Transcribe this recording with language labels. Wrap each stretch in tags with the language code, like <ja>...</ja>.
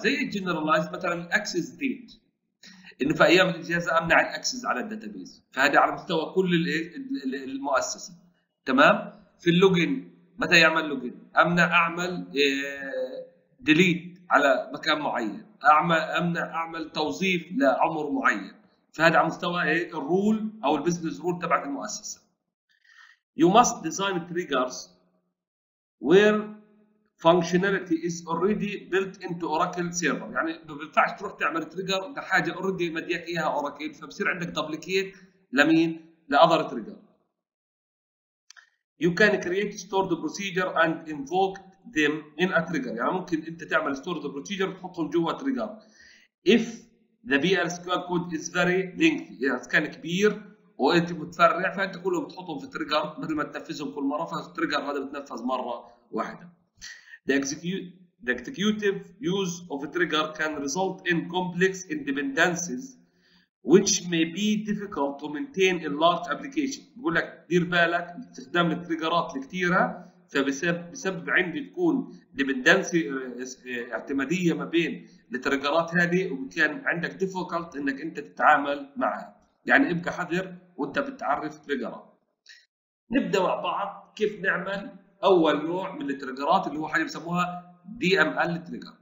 <ar>زي الجنرالايز مثلا الاكسس ديت، انه في ايام الاجازه امنع الاكسس على الداتابيس، فهذا على مستوى كل المؤسسه. تمام. في اللوجن متى يعمل لوجن، امنع اعمل ديليت على مكان معين، امنع اعمل توظيف لعمر معين، فهذا على مستوى الرول او البزنس رول تبعت المؤسسه.</ar> <en>You must design triggers where functionality is already built into Oracle server.</en> <ar>يعني ما بينفعش تروح تعمل trigger لحاجة already مديك إياها Oracle، فبصير عندك duplicate لمين؟ لأذر trigger.</ar> <en>You can create stored procedure and invoke them in a trigger.</en> <ar>يعني ممكن أنت تعمل stored procedure وتحطهم جوا trigger.</ar> <en>If the BL SQL code is very lengthy،</en> <ar>يعني كان كبير وانت متفرع، فانت كلهم بتحطهم في تريجر بدل ما تنفذهم كل مره، فالتريجر هذا بتنفذ مره واحده.</ar> <en>The executive use of a trigger can result in complex independencies which may be difficult to maintain in large application.</en> <ar>بقول لك دير بالك استخدام التريجرات الكتيره فبسبب عندي تكون ديبندنسي اعتماديه ما بين التريجرات هذه، وكان عندك difficult انك انت تتعامل معها. يعني ابقى حذر وانت بتعرف تريجرات. نبدا مع بعض كيف نعمل اول نوع من التريجرات اللي هو حاجه بسموها دي ام ال تريجر.</ar>